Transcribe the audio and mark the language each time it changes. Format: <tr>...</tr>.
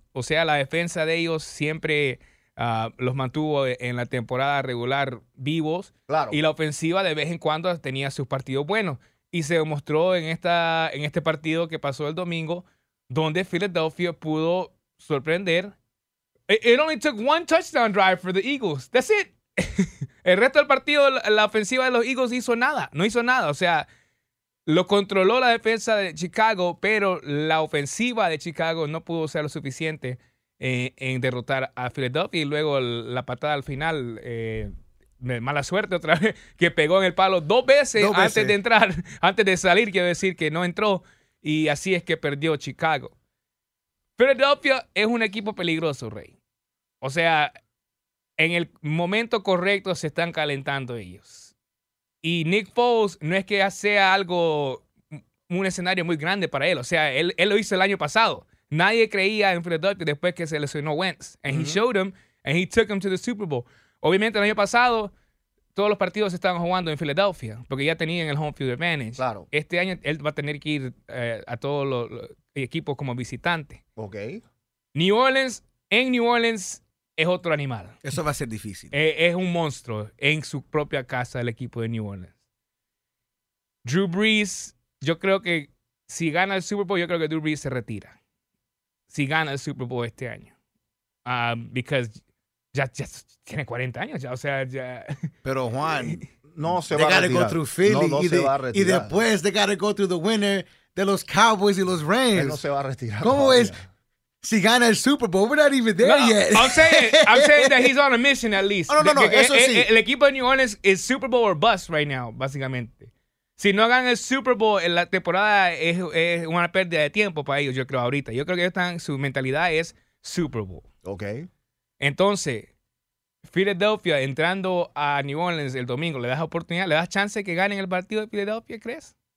<es>O sea, la defensa de ellos siempre los mantuvo en la temporada regular vivos. Claro. Y la ofensiva de vez en cuando tenía sus partidos buenos. Y se demostró en este partido que pasó el domingo, donde Philadelphia pudo sorprender.</es> <en>It only took one touchdown drive for the Eagles. That's it.</en> <es>El resto del partido, la ofensiva de los Eagles no hizo nada. O sea, lo controló la defensa de Chicago, pero la ofensiva de Chicago no pudo ser lo suficiente en derrotar a Philadelphia. Y luego la patada al final, mala suerte otra vez, que pegó en el palo dos veces antes de salir, quiero decir que no entró. Y así es que perdió Chicago. Philadelphia es un equipo peligroso, Rey. O sea, en el momento correcto se están calentando ellos. Y Nick Foles no es que sea algo, un escenario muy grande para él. O sea, él lo hizo el año pasado. Nadie creía en Philadelphia después que se lesionó Wentz.</es> <en>And mm-hmm. he showed him, and he took him to the Super Bowl.</en> <es>Obviamente, el año pasado, todos los partidos se estaban jugando en Philadelphia, porque ya tenían el home field advantage. Claro. Este año, él va a tener que ir a todos los equipos como visitante. Ok. New Orleans, en New Orleans, es otro animal. Eso va a ser difícil. Es un monstruo en su propia casa, el equipo de New Orleans. Drew Brees, yo creo que si gana el Super Bowl, yo creo que Drew Brees se retira. Si gana el Super Bowl este año.</es> <en>Because</en> <es>ya tiene 40 años ya, o sea, ya. Pero Juan, no se va a retirar.</es> <en>They gotta go through Philly.</en> <es>No, no se va a retirar. Y después</es> <en>they gotta go through the winner</en> <es>de los Cowboys y los Rams. Él no se va a retirar. ¿Cómo es? Si gana</es> <en>el Super Bowl, we're not even there yet. I'm saying that he's on a mission at least.</en> <es>Oh, no, eso sí. El equipo de</es> <en>New Orleans is Super Bowl or bust right now,</en> <es>básicamente. Si no ganan el Super Bowl, en la temporada es una pérdida de tiempo para ellos, yo creo, ahorita. Yo creo que ellos están, su mentalidad es Super Bowl. Ok. Entonces, Philadelphia entrando a New Orleans el domingo, ¿le das oportunidad, le das chance que ganen el partido de Philadelphia, crees?</es>